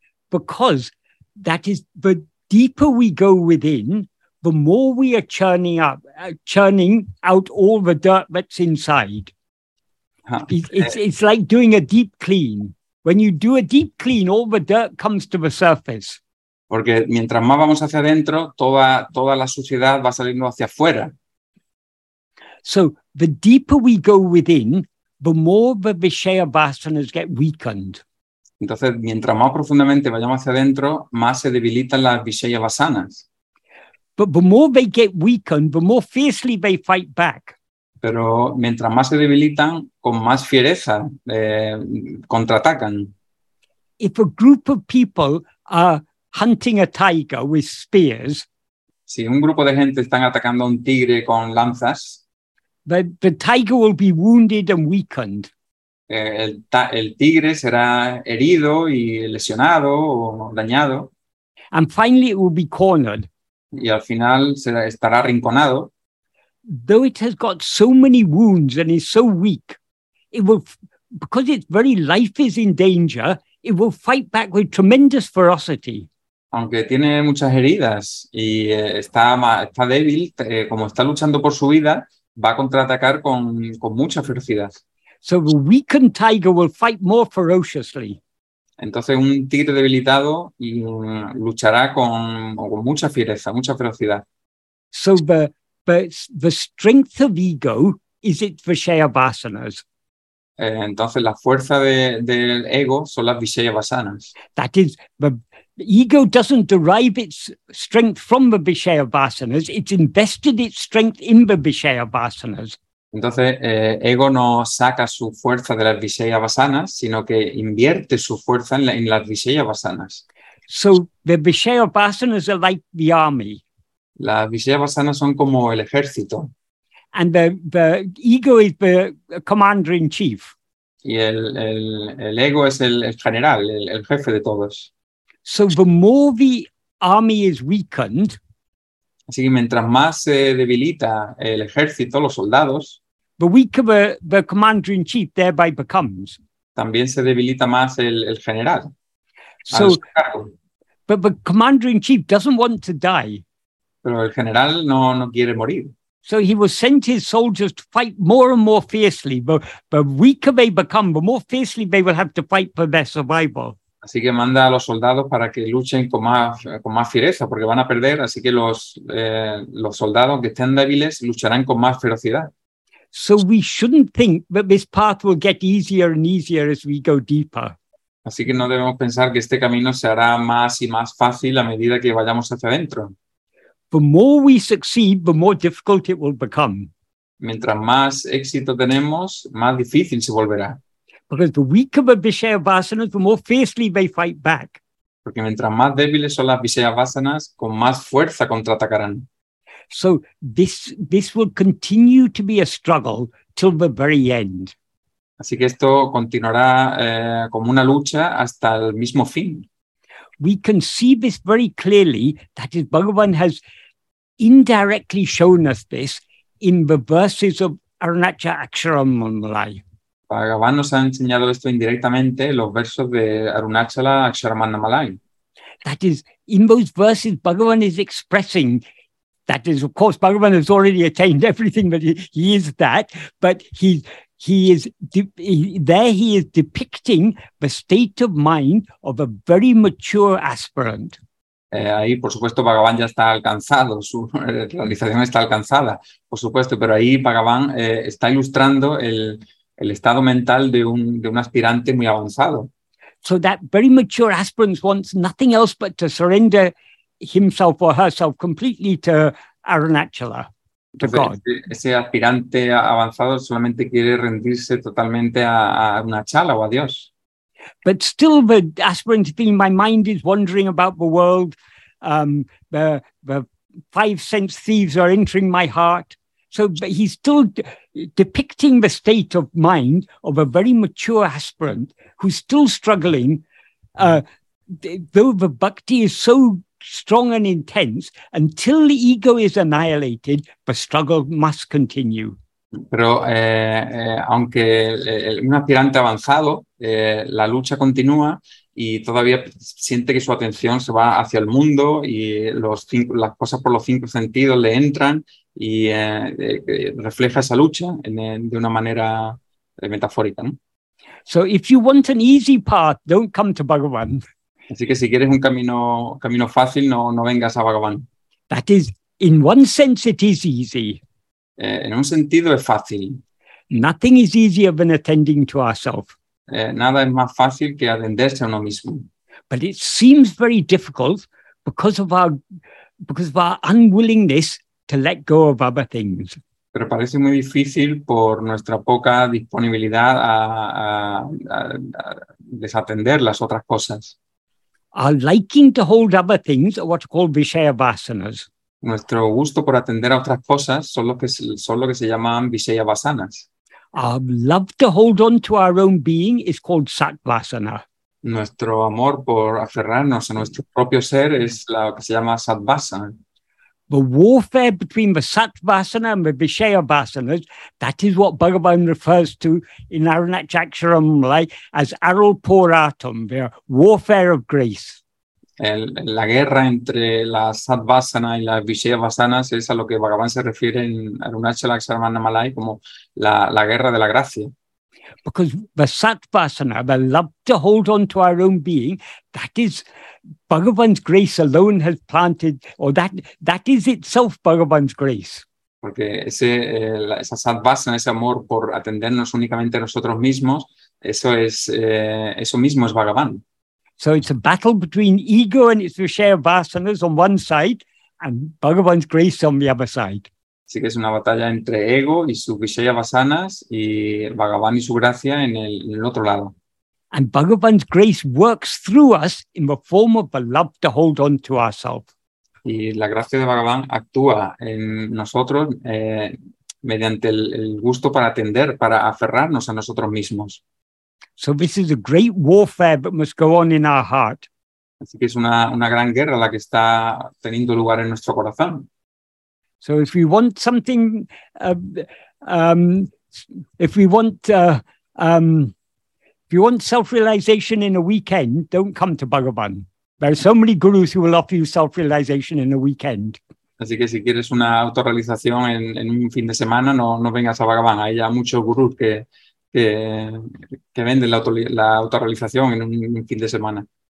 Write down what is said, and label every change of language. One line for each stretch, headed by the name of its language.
English: because that is the deeper we go within, the more we are churning out all the dirt that's inside. It's like doing a deep clean. When you do a deep clean, all the dirt comes to the surface.
Spanish: Porque mientras más vamos hacia adentro, toda la suciedad va saliendo hacia afuera.
English: So the deeper we go within, the more the vishaya vasanas get weakened.
Spanish: Entonces, mientras más profundamente vayamos hacia adentro, más se debilitan las vishaya vasanas.
English: But the more they get weakened, the more fiercely they fight back.
Spanish: Pero mientras más se debilitan, con más fiereza contraatacan.
English: If a group of people are hunting a tiger with spears,
Spanish: si un grupo de gente están atacando a un tigre con lanzas,
English: the tiger will be wounded and weakened.
Spanish: El tigre será herido y lesionado o dañado.
English: And finally, it will be cornered.
Spanish: Y al final será, estará arrinconado.
English: Though it has got so many wounds and is so weak, it will, because its very life is in danger, it will fight back with tremendous ferocity.
Spanish: Aunque tiene muchas heridas y está débil, como está luchando por su vida, va a contraatacar con mucha ferocidad.
English: So the weakened tiger will fight more ferociously.
Spanish: Entonces un tigre debilitado luchará con mucha fiereza, mucha ferocidad.
English: So the strength of ego is its Vishayavasanas.
Spanish: Entonces la fuerza del ego son las Vishayavasanas.
English: That is, the ego doesn't derive its strength from the Vishayavasanas, it's invested its strength in the Vishayavasanas.
Spanish: Entonces, ego no saca su fuerza de las Vishayavasanas, sino que invierte su fuerza en las Vishayavasanas.
English: So, the Vishayavasanas are like the army.
Spanish: Las Vishayavasanas son como el ejército.
English: And the ego is the commander-in-chief.
Spanish: Y el ego es el general, el jefe de todos.
English: So, the more the army is weakened,
Spanish: así que mientras más se debilita el ejército, los soldados,
English: the weaker the commander-in-chief thereby becomes.
Spanish: También se debilita más el general.
English: So, but the commander-in-chief doesn't want to die.
Spanish: Pero el general no quiere morir.
English: So he will send his soldiers to fight more and more fiercely. But weaker they become, the more fiercely they will have to fight for their survival.
Spanish: Así que manda a los soldados para que luchen con más fiereza, porque van a perder. Así que los soldados que estén débiles lucharán con más ferocidad.
English: So we shouldn't think that this path will get easier and easier as we go deeper.
Spanish: Así que no debemos pensar que este camino se hará más y más fácil a medida que vayamos hacia adentro.
English: The more we succeed, the more difficult it will become.
Spanish: Mientras más éxito tenemos, más difícil se volverá.
English: Because the weaker the Vishayavasanas, the more fiercely they fight back.
Spanish: Porque mientras más débiles son las Vishayavasanas, con más fuerza contraatacarán.
English: So this will continue to be a struggle till the very end.
Spanish: Así que esto continuará como una lucha hasta el mismo fin.
English: We can see this very clearly, that is, Bhagavan has indirectly shown us this in the verses of Arunacha Aksharamandalai.
Spanish: Bhagavan nos ha enseñado esto indirectamente en los versos de Arunachala Aksharamandamalai.
English: That is, in those verses, Bhagavan is expressing, that is, of course, Bhagavan has already attained everything, but he is that, but he is depicting the state of mind of a very mature aspirant.
Spanish: Ahí, por supuesto, Bhagavan ya está alcanzado, su realización está alcanzada, por supuesto, pero ahí Bhagavan está ilustrando el estado mental de un aspirante muy avanzado.
English: So that very mature aspirant wants nothing else but to surrender himself or herself completely to Arunachala, to God.
Spanish: Ese aspirante avanzado solamente quiere rendirse totalmente a Arunachala o a Dios.
English: But still the aspirant thinking, my mind is wandering about the world, the five sense thieves are entering my heart. So but he's still depicting the state of mind of a very mature aspirant who's still struggling, though the bhakti is so strong and intense, until the ego is annihilated, the struggle must continue.
Spanish: Pero aunque un aspirante avanzado, la lucha continúa y todavía siente que su atención se va hacia el mundo y las cosas por los cinco sentidos le entran. Y refleja esa lucha de una manera metafórica, ¿no?
English: So if you want an easy path, don't come to Bhagavan.
Spanish: Así que si quieres un camino fácil, no vengas a Bhagavan.
English: That is, in one sense it is easy.
Spanish: En un sentido es fácil.
English: Nothing is easier than attending to ourselves.
Spanish: Nada es más fácil que atenderse a uno mismo.
English: But it seems very difficult because of our unwillingness to let go of other things.
Spanish: Pero parece muy difícil por nuestra poca disponibilidad a desatender las otras cosas.
English: Our liking to hold other things are what are called Vishayavasanas.
Spanish: Nuestro gusto por atender a otras cosas son lo que se llaman Vishayavasanas.
English: Our love to hold on to our own being is called Satvasana.
Spanish: nuestro amor por aferrarnos a nuestro propio ser es lo que se llama sattvasana.
English: The warfare between the sattvasana and the vishaya vasanas, that is what Bhagavan refers to in Arunachakramulai as aralporatam, the warfare of grace.
Spanish: La guerra entre la sattvasana y la vishaya vasanas es a lo que Bhagavan se refiere en Arunachakramulai como la guerra de la gracia.
English: Because the sattvasana, the love to hold on to our own being, that is Bhagavan's grace alone has planted, or that is itself Bhagavan's grace.
Spanish: Porque esa sattvasana, ese amor por atendernos únicamente a nosotros mismos, eso mismo es Bhagavan.
English: So it's a battle between ego and its vishaya vasanas on one side, and Bhagavan's grace on the other side.
Spanish: Así que es una batalla entre ego y sus vishaya vasanas y Bhagavan y su gracia en el otro lado.
English: And Bhagavan's grace works through us in the form of the love to hold on to ourselves.
Spanish: Y la gracia de Bhagavan actúa en nosotros mediante el gusto para atender, para aferrarnos a nosotros mismos.
English: So this is a great warfare that must go on in our heart.
Spanish: Así que es una gran guerra la que está teniendo lugar en nuestro corazón.
English: So if we want something, if you want self-realization in a weekend, don't come to Bhagavan. There are so many gurus who will offer you self-realization in a weekend.
Spanish: Así que si quieres una autorrealización en un fin de semana, no vengas a Bhagavan. Hay ya muchos gurús que venden la autorrealización en un fin de semana.